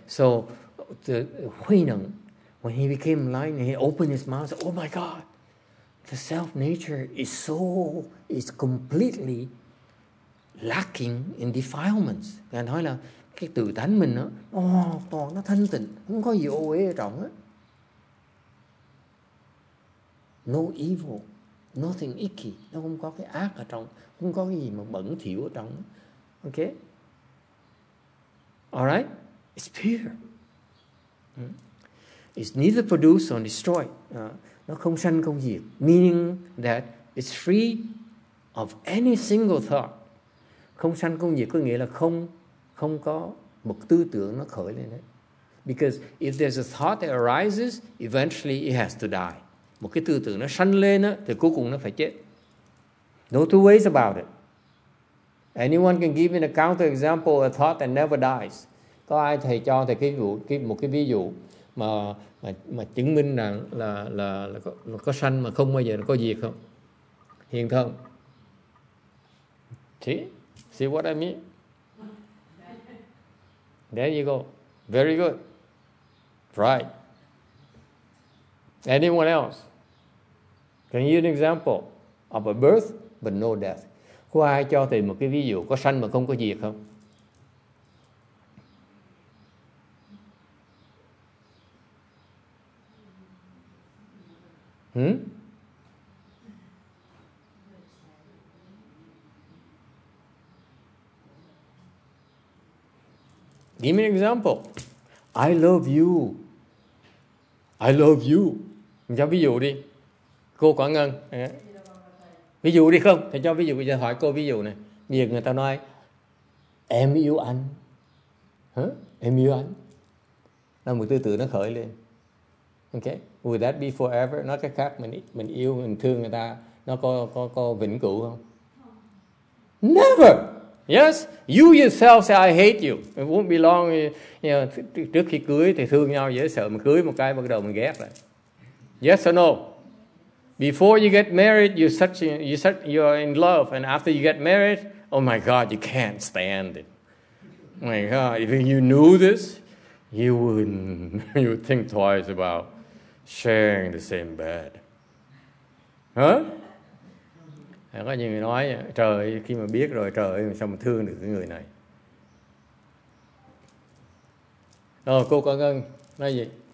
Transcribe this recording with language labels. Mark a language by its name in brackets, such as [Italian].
[English] So the Huineng, when he became enlightened, he opened his mouth and said, oh my God, the self nature is completely lacking in defilements. [Vietnamese] Ngài nói là cái tự tánh mình nó thanh tịnh, không có gì ô uế ở trong á. [English] No evil, nothing icky, [Vietnamese] nó không có cái ác ở trong, không có cái gì mà bẩn thỉu ở trong. [English] Okay. All right. It's pure. It's neither produced nor destroyed. [Vietnamese] Nó không sanh không diệt. [English] Meaning that it's free of any single thought. [Vietnamese] Không sanh không diệt có nghĩa là không có một tư tưởng nó khởi lên đấy. [English] Because if there's a thought that arises, eventually it has to die. [Vietnamese] Một cái tư tưởng nó sanh lên đó, thì cuối cùng nó phải chết. [English] No two ways about it. Anyone can give a counter example of a thought that never dies. [Vietnamese] Có ai thầy cho thầy một cái ví dụ mà chứng minh rằng là có sanh mà không bao giờ có diệt không? Hiện thân. [English] See what I mean? There you go. Very good. Right. Anyone else? Can you give an example of a birth but no death? [Vietnamese] Có ai cho thầy một cái ví dụ có sanh mà không có diệt không? Hmm? [English] Give me an example. I love you. [Vietnamese] I love you. Mình cho ví dụ đi. Cô Quảng Ngân. Ví dụ đi không? Thầy cho ví dụ. Bây giờ hỏi cô ví dụ này. Bây giờ người ta nói em yêu anh. Hả? Em yêu anh. Là một tư tưởng nó khởi lên. Ok. [English] Would that be forever? [Vietnamese] Nói cách khác, mình yêu, mình thương người ta, nó có vĩnh cửu không? [English] Never. Yes. You yourself say I hate you. It won't be long. [Vietnamese] You know, trước khi cưới thì thương nhau dễ sợ. Mình cưới một cái bắt đầu mình ghét rồi. [English] Yes or no? Before you get married, you're in love, and after you get married, oh my God, you can't stand it. My God, if you knew this, you would think twice about sharing the same bed, huh? [Vietnamese] Có nhiều người nói, trời, khi mà biết rồi, trời, sao mà thương được cái người này? Rồi cô Quảng Ngân nói gì?